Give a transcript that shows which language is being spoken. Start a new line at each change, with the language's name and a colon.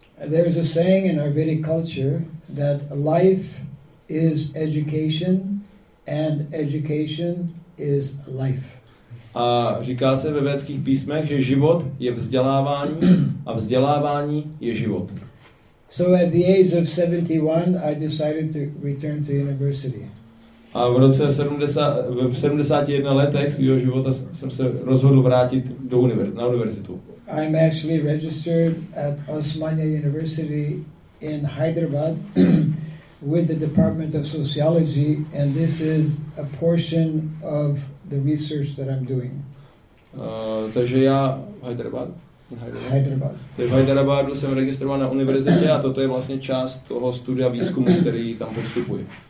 English: There is a saying in our Vedic culture that life is education and education is life.
Czech: A říká se ve védských písmech, že život je vzdělávání a vzdělávání je život.
English: So at the age of 71 I decided to return to university.
Czech: A v roce 71 letech svého života jsem se rozhodl vrátit na univerzitu.
English: I'm actually registered at Osmania University in Hyderabad with the Department of Sociology, and this is a portion of the research that I'm doing.
Czech: Takže já Hyderabad. Hyderabad. V Hyderabadu jsem registrován na univerzitě a toto je vlastně část toho studia výzkumu, který tam postupuje.